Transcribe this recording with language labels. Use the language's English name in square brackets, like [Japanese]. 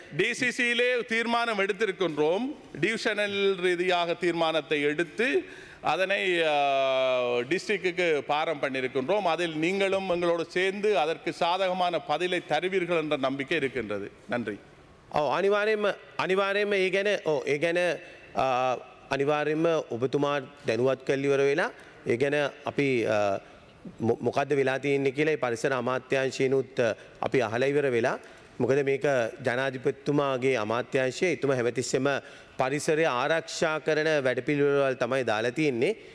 [Tamil] DCC [Sinhala] ලේ තීරණම [Tamil] எடுத்துக்கொண்டோம். Divisional ரீதியாக தீர்மானத்தை எடுத்து அதனை டிஸ்ட்ரிக்ட்க்கு பாரம் பண்ணியிருக்கின்றோம். அதில் நீங்களும் எங்களோடு சேர்ந்து அதற்கு சாதகமான பதிலை தருவீர்கள் என்ற நம்பிக்கை இருக்கின்றது. நன்றி. [Sinhala] ஓ அனிவாரியமா අනිවාර්යයෙන්ම ඔබතුමා දැනුවත් කළ ඉවර වෙලා ඒ ගැන අපි මොකද්ද වෙලා තියෙන්නේ කියලා ඒ පරිසර අමාත්‍යාංශයනුත් අපි අහලා ඉවර වෙලා මොකද මේක ජනාධිපතිතුමාගේ අමාත්‍යාංශය එතුම හැවතිස්සෙම පරිසරය ආරක්ෂා කරන වැඩපිළිවෙළවල් තමයි දාලා තියෙන්නේ.